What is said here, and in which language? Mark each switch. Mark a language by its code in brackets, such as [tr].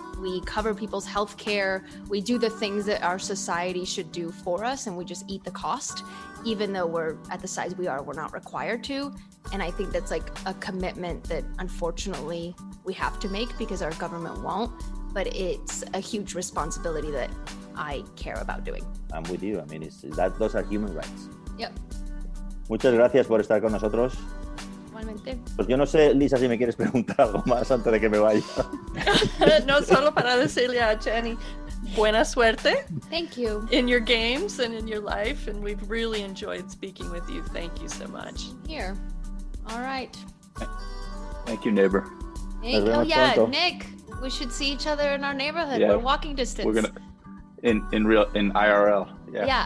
[en] We cover people's health care. We do the things that our society should do for us, and we just eat the cost, even though we're at the size we are, we're not required to. And I think that's like a commitment that unfortunately we have to make because our government won't, but it's a huge responsibility that I care about doing. I'm with you. I mean, those are human rights. Yep. [es] Muchas gracias por estar con nosotros. Pues yo no sé, Lisa, si me quieres preguntar algo más antes de que me vaya. No, solo para decirle a Jenny, buena suerte. [en] Thank you. In your games and in your life, and we've really enjoyed speaking with you. Thank you so much. Here. All right. Thank you, neighbor. [es] Nick, pronto. [en] Nick, we should see each other in our neighborhood. Yeah. We're walking distance. We're in IRL. Yeah,